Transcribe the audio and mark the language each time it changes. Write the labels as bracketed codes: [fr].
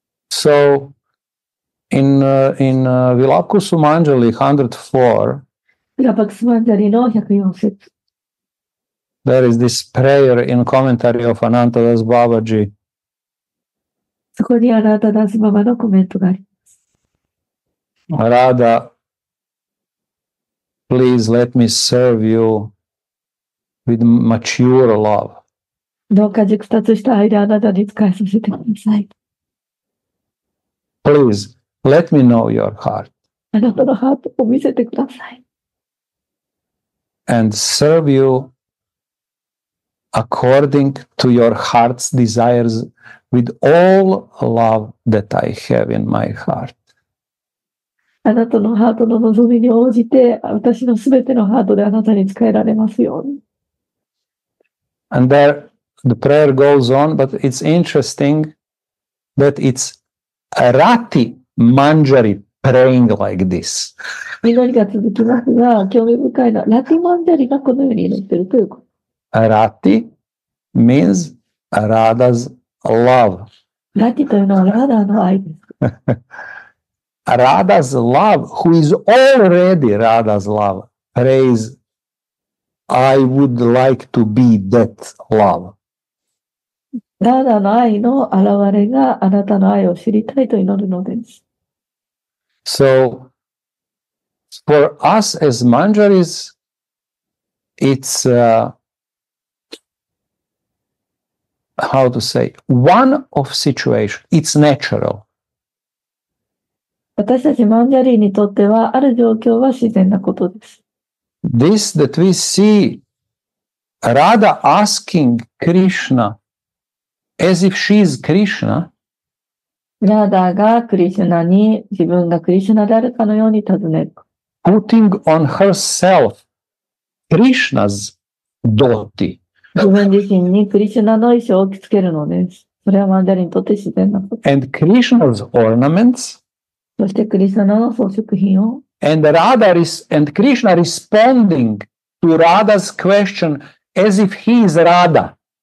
[en] So, In Vilakusumanjali 104, [ja] Vilakusumanjali の104節。 [en] There is this prayer in commentary of Anantadas Babaji. [ja] そこにアナタダスババのコメントがあります。 [en] Radha, please let me serve you with mature love. [ja] どうか熟達した愛であなたに仕えさせてください。 [en] Please let me know your heart. [ja] あなたのハートを見せてください。 [en] And serve youAccording to your heart's desires with all love that I have in my heart. [ja] あなたのハートの望みに応じて、私のすべてのハートであなたに仕えられますように。 [en] And there, the prayer goes on, but it's interesting that it's Arati Manjari praying like this. [ja] 祈りが続きますが、興味深いのは、ラティマンジャリがこのように祈っているということ。 [en] Arati means Radha's love. [ja] Arati というのはラダの愛です。 [en] Radha's love, who is already Radha's love, prays, I would like to be that love. [ja] ラダの愛の現れがあなたの愛を知りたいと祈るのです。 [en] So, for us as Manjaris, it'sHow to say? One of situation. It's natural. [ja] 私たちマンジャリーにとってはある状況は自然なことです。 [en] This that we see Radha asking Krishna as if she is Krishna. [ja] Radha がクリシュナに自分がクリシュナであるかのように尋ねる。 [en] Putting on herself Krishna's dhoti. [ja] 自分自身にクリシュナの衣装を着付けるのです。それはマンジャリにとって自然なこと。 [en] And Krishna's ornaments. [ja] そしてクリシュナの装飾品を。 [en] And Radha is, and Krishna responding to Radha's question as if he is Radha.